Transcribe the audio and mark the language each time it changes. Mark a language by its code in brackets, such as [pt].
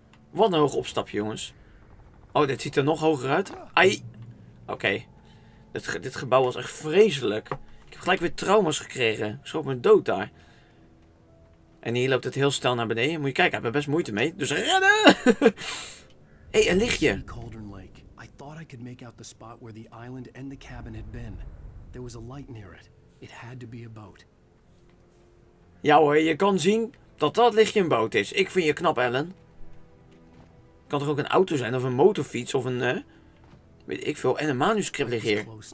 [nl] Wat een hoog opstapje, jongens. Oh, dit ziet er nog hoger uit. Ai. Oké. Dit gebouw was echt vreselijk. Ik heb gelijk weer trauma's gekregen. Ik schrok me dood daar. En hier loopt het heel snel naar beneden. Moet je kijken, ik heb er best moeite mee. Dus rennen! Hé, een lichtje. Cauldron Lake. [en] I thought I could make out the spot where the island and the cabin had been. There was a light near it. It had to be a boat. [nl] Ja hoor, je kan zien dat dat lichtje een boot is. Ik vind je knap, Ellen. Kan toch ook een auto zijn of een motorfiets of een... weet ik veel, en een manuscript ligt hier.